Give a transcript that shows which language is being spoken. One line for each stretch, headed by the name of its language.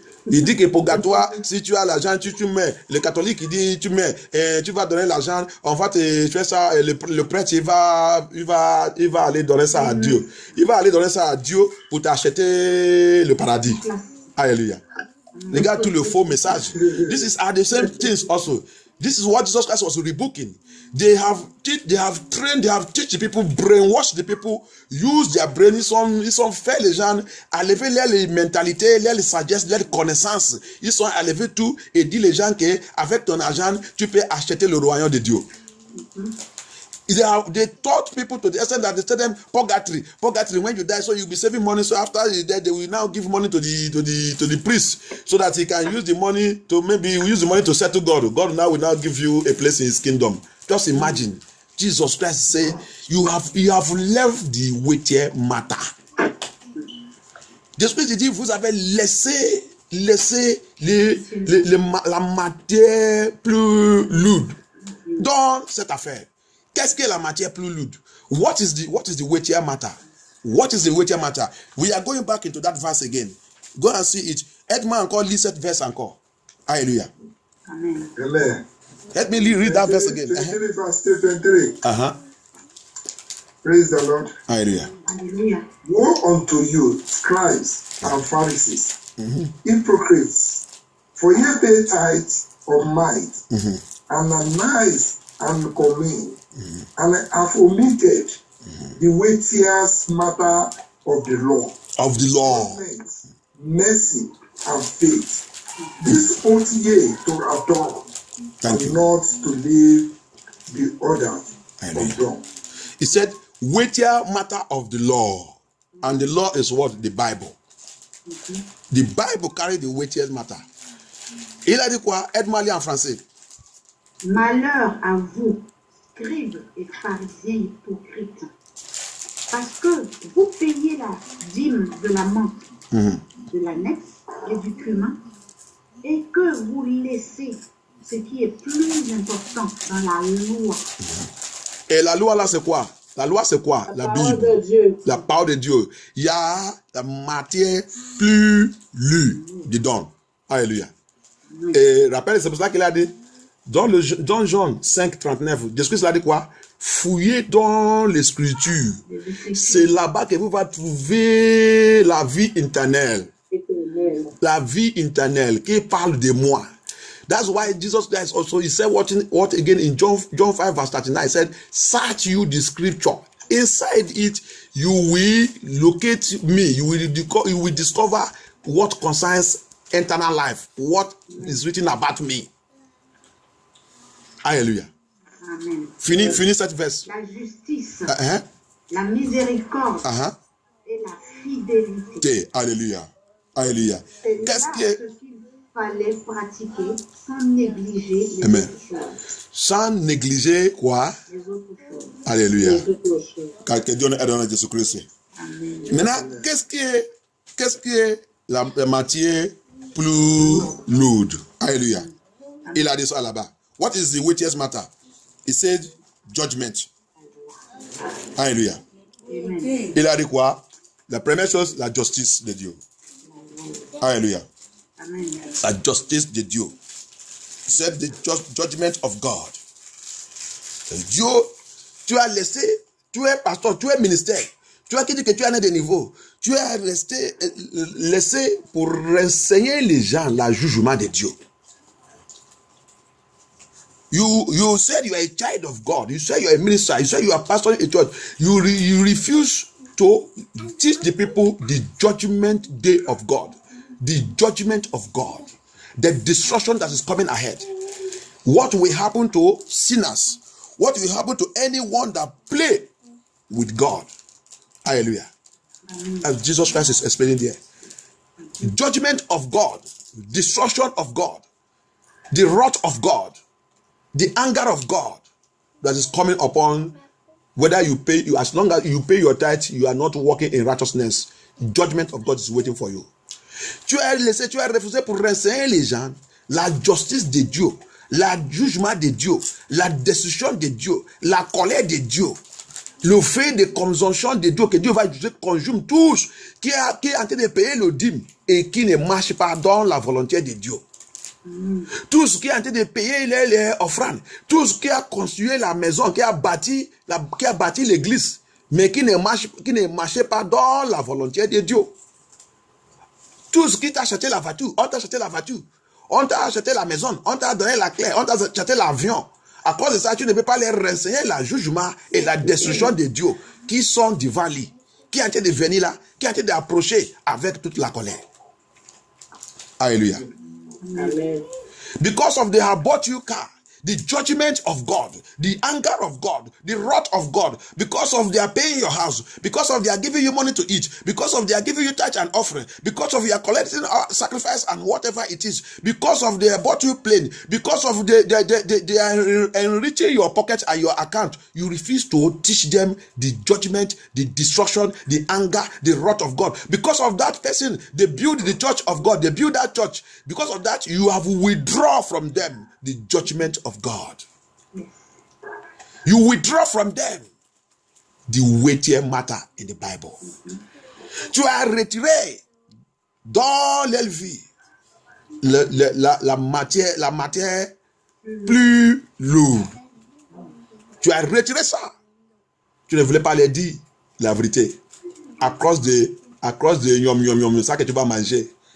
French: Il dit que pour toi, si tu as l'argent, tu mets. Le catholique, il dit, tu mets. Tu vas donner l'argent. En fait, tu fais ça. Et le prêtre, il va aller donner ça à Dieu. Il va aller donner ça à Dieu pour t'acheter le paradis. Alléluia. Regarde tout le faux message.
English: This is are the same things also. This is what Jesus Christ was rebooking. They have trained, they have taught people, brainwashed the people, use their brain,
French: ils sont fait les gens, enlever leur mentalité, leur sagesse, leur connaissance. Ils sont enlevé tout et dit les gens que avec ton argent, tu peux acheter le royaume de Dieu.
English: They taught people to the extent that they tell them purgatory, when you die, so you'll be saving money. So after you die, they will now give money to the priest so that he can use the money to maybe use the money to settle God. God now will now give you a place in his kingdom. Just imagine Jesus Christ say you have left the weightier matter.
French: Jesus Christ dit, vous avez laissé la matière plus lourde dans cette affaire. Qu'est-ce que la matière plus lourde?
English: What is the weightier matter? What is the weightier matter? We are going back into that verse again. Go and see it.
French: Edmond encore lit cette verse encore. Alléluia. Amen.
English: Let me read that verse again. Verse 23. Uh-huh. Praise the Lord. Hallelujah. Woe unto you, scribes and Pharisees, hypocrites, for ye pay tithe of mine, and annize and commend, and have omitted the weightiest matter of the law. Of the law. Mercy and faith. This ought ye to adore. Thank you. Not to leave the order of God. He said, weightier matter of the law. And the law is what? The Bible. The Bible carries the weightier matter.
French: Il a dit quoi? Aide Mali en français. Malheur à vous, scribes et pharisiens hypocrites, parce que vous payez la dîme de la menthe, de la nef et du cumin, et que vous laissez ce qui est plus important dans la loi. Et la loi là, c'est quoi? La loi, c'est quoi? La Bible. La parole de Dieu. Il y a la matière plus lue dedans. Alléluia. Et rappelle, c'est pour cela qu'il a dit, dans le dans Jean 5, 39, Jésus-Christ a dit quoi? Fouillez dans l'Écriture. C'est là-bas que vous allez trouver la vie éternelle. La vie éternelle qui parle de moi.
English: That's why Jesus Christ also, he said what again in John 5 verse 39, he said, search you the scripture. Inside it, you will locate me. You will discover what concerns eternal life, what is written about me. Hallelujah. Amen.
French: Finis cette verse. La justice, la miséricorde et la fidélité. Hallelujah. Hallelujah. Qu'est-ce que... fallait pratiquer sans négliger les autres choses. Sans négliger quoi? Les autres choses. Alléluia. Car que Dieu nous aide en Jésus-Christ. Amen. Maintenant, amen. Qu'est-ce qui est la matière plus lourde? Alléluia. Amen. Il a dit ça là-bas.
English: What is the weightiest matter? He said judgment. Alléluia. Amen.
French: Il a dit quoi? La première chose, la justice de Dieu. Alléluia. La justice de Dieu. C'est le
English: judgment of God.
French: Dieu, tu as laissé, tu es pasteur, tu es ministère, tu as dit que tu es en un niveau, tu as laissé pour enseigner les gens le jugement de Dieu.
English: You said you are a child of God, you said you are a minister, you said you are pastor in church, you refuse to teach the people the judgment day of God. The judgment of God, the destruction that is coming ahead. What will happen to sinners? What will happen to anyone that play with God? Hallelujah. As Jesus Christ is explaining there. Judgment of God, destruction of God, the wrath of God, the anger of God that is coming upon whether you pay, you as long as you pay your tithe, you are not walking in righteousness. Judgment of God is waiting for you.
French: Tu as laissé, tu as refusé pour enseigner les gens la justice de Dieu, le jugement de Dieu, la destruction de Dieu, la colère de Dieu, le fait de consomption de Dieu, que Dieu va juger, consomme tous, qui est en train de payer le dîme et qui ne marche pas dans la volonté de Dieu. Tout ce qui est en train de payer les offrandes, tout ce qui a construit la maison, qui a bâti l'église, mais qui ne marchait pas dans la volonté de Dieu. Tout ce qui t'a acheté la voiture, on t'a acheté la voiture, on t'a acheté la maison, on t'a donné la clé, on t'a acheté l'avion. À cause de ça, tu ne peux pas les renseigner le jugement et la destruction de Dieu qui sont devant lui, qui est en train de venir là, qui est en train d'approcher avec toute la colère. Alléluia. Amen.
English: Because of the abortive car, the judgment of God, the anger of God, the wrath of God, because of their paying your house, because of their giving you money to eat, because of their giving you tithe and offering, because of your collecting sacrifice and whatever it is, because of their bought you plane, because of they are enriching your pocket and your account, you refuse to teach them the judgment, the destruction, the anger, the wrath of God. Because of that person, they build the church of God, they build that church. Because of that, you have withdrawn from them. The judgment of God. You withdraw from them the weightier matter in the Bible.
French: Tu as retiré dans leur vie la matière plus lourde. Tu as retiré ça. Tu ne voulais pas leur dire la vérité. À cause de yom yom yom, ça que tu vas manger.